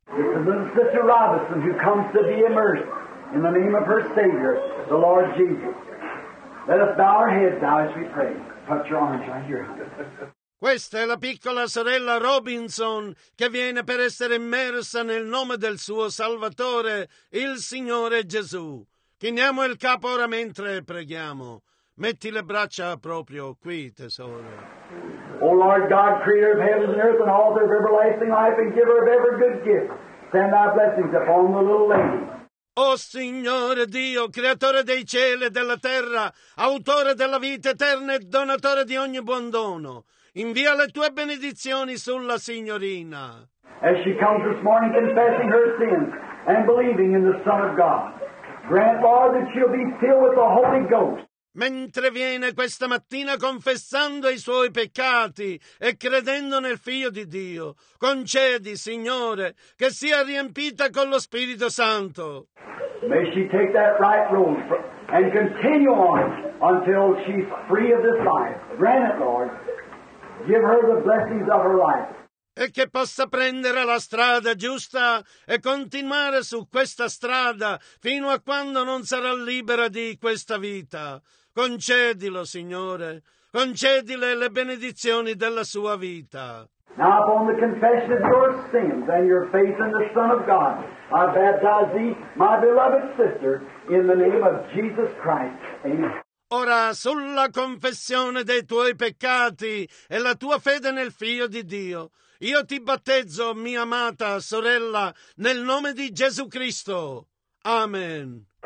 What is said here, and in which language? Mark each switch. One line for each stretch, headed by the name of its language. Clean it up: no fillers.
English: It's the little sister Robinson who comes to be immersed in the name of her Savior, the Lord Jesus. Let us bow our heads now as we pray. Put your arms right here.
Italian: Questa è la piccola sorella Robinson che viene per essere immersa nel nome del suo Salvatore, il Signore Gesù. Chiniamo il capo ora mentre preghiamo. Metti le braccia proprio qui, tesoro.
English: O Lord God, creator of heaven and earth and all their everlasting life and giver of every good gift, send thy blessings upon the little lady.
Italian: O Signore Dio, creatore dei cieli e della terra, autore della vita eterna e donatore di ogni buon dono, invia le tue benedizioni sulla signorina.
English: As she comes this morning confessing her sins and believing in the Son of God, grant, Lord, that she'll be filled with the Holy Ghost.
Italian: Mentre viene questa mattina confessando i suoi peccati e credendo nel Figlio di Dio, concedi, Signore, che sia riempita con lo Spirito Santo.
English: May she take that right road and continue on until she's free of this life. Grant it, Lord. Give her the blessings of her life.
Italian: E che possa prendere la strada giusta e continuare su questa strada fino a quando non sarà libera di questa vita. Concedilo, Signore. Concedile le benedizioni della sua vita.
English: Now upon the confession of your sins and your faith in the Son of God, I baptize thee, my beloved sister, in the name of Jesus Christ. Amen.
Italian: Ora, sulla confessione dei tuoi peccati e la tua fede nel Figlio di Dio, io ti battezzo, mia amata sorella, nel nome di Gesù Cristo. Amen.